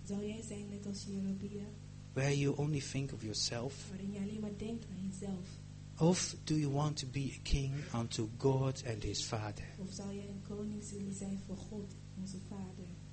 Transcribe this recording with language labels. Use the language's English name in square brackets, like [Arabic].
[Dutch] Zal jij zijn net als Jeroboam? [English] Where you only think of yourself? [Dutch] Waarin je alleen maar denkt aan jezelf? [English] Of do you want to be a king unto God and his father? [Dutch] Of zal jij een koning willen zijn voor God, onze vader?